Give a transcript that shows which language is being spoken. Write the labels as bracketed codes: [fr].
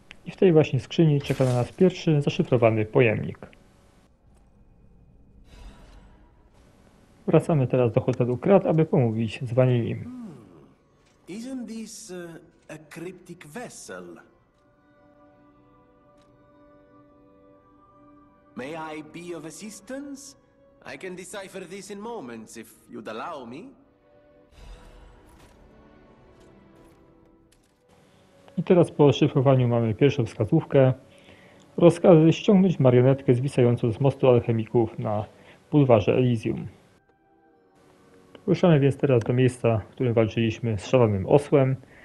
[pl] W tej właśnie skrzyni czeka na nas pierwszy zaszyfrowany pojemnik. Wracamy teraz do hotelu Krat, aby pomówić z Vaninim. [en] Isn't this a cryptic vessel? May I be of assistance? I can decipher this in moments if you'd allow me. [pl] I teraz po szyfrowaniu mamy pierwszą wskazówkę. Rozkazy ściągnąć marionetkę zwisającą z mostu alchemików na bulwarze Elysium. Ruszamy więc teraz do miejsca, w którym walczyliśmy z szalonym osłem.